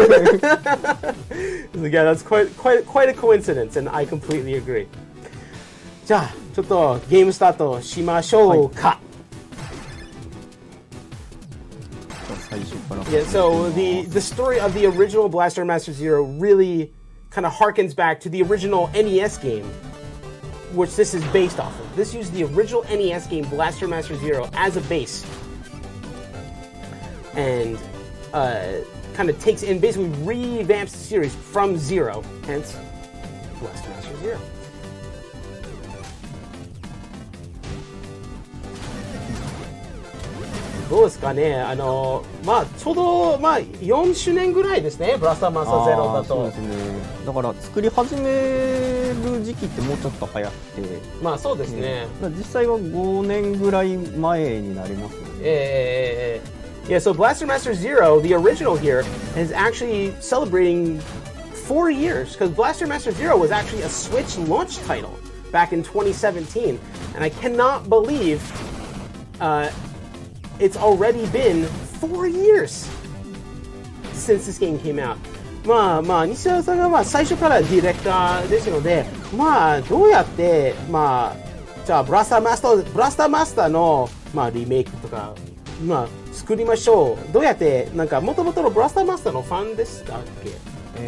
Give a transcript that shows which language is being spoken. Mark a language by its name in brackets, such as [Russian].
[English] Yeah, that's quite a coincidence, and I completely agree. [Japanese] じゃあ、ちょっとゲームスタートしましょうか。 [English] はい、Yeah, so the story of the original Blaster Master Zero really kind of harkens back to the original NES game, which this is based off of. This used the original NES game Blaster Master Zero as a base, and kind of takes and basically revamps the series from Zero, hence Blaster Master Zero. [Japanese] どうですかね、まあ、ちょうど、まあ、4周年ぐらいですね、ブラスターマスターゼロだと。そうですね、だから作り始める時期ってもうちょっと早くて、まあそうですね、実際は5年ぐらい前になりますね。 [English] Yeah, so Blaster Master Zero, the original here, is actually celebrating 4 years, because Blaster Master Zero was actually a Switch launch title back in 2017, and I cannot believe It's already been 4 years since this game came out. [Japanese] まあまあ、西田さんがまあ最初からディレクターですので、まあどうやって、まあ、じゃあブラスターマスターの、まあ、リメイクとか、まあ、作りましょう。どうやって、なんか元々のブラスターマスターのファンでしたっけ？